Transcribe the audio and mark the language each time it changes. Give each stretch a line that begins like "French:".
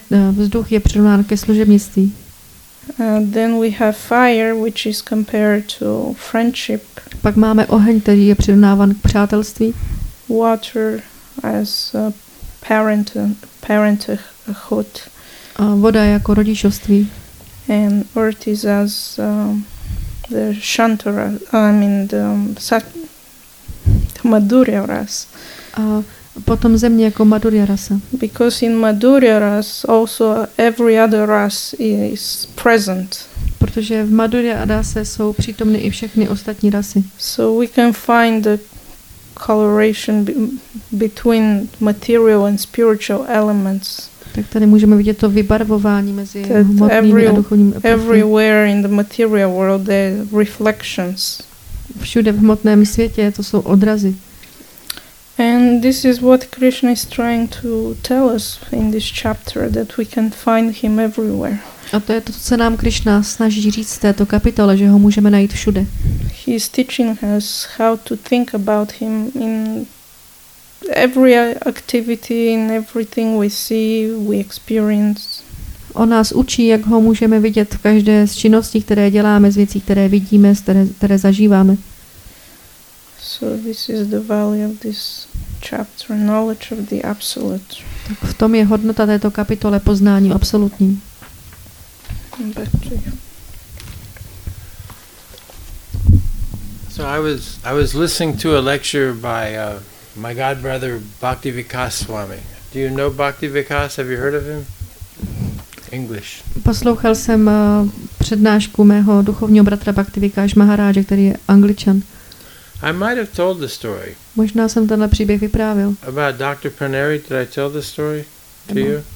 Czech: Vzduch je přirovnán ke služebnictví.
English: Then we have fire, which is compared to friendship.
Czech: Pak máme oheň, který je přirovnáván k přátelství.
English: Water as parenthood.
Czech: A voda jako rodičovství.
English: And earth is as the shantara, I mean the madhurya ras.
Czech: A potom země jako madhurya rasa.
English: Because in madhurya ras also every other ras is present.
Czech: Protože v madhurya rase jsou přítomny i všechny ostatní rasy.
English: So we can find the coloration between material and spiritual elements.
Czech: Tak tady můžeme vidět to vybarvování mezi hmotnými a duchovními prvky.
English: Everywhere in the material world there are reflections.
Czech: Všude v hmotném světě to jsou odrazy.
English: And this is what Krishna is trying to tell us in this chapter, that we can find him everywhere.
Czech: A to je to, co se nám Krishna snaží říct v této kapitole, že ho můžeme najít všude.
English: He is teaching us how to think about him in every activity, in everything we see, we experience.
Czech: On nás učí, jak ho můžeme vidět v každé z činností, které děláme, z věcí, které vidíme, které zažíváme.
English: So this is the value of this chapter, knowledge of the absolute.
Czech: Tak v tom je hodnota této kapitole poznání absolutní.
English: So I was listening to a lecture by my god brother Bhaktivikas Swami. Do you know Bhaktivikas? Have you heard of him? English.
Czech: Poslouchal jsem přednášku mého duchovního bratra Bhaktivikas Maharaja, který je Angličan.
English: I might have told the story.
Czech: Možná jsem tenhle příběh vyprávil.
English: About Dr. Paneri, did I tell the story to you?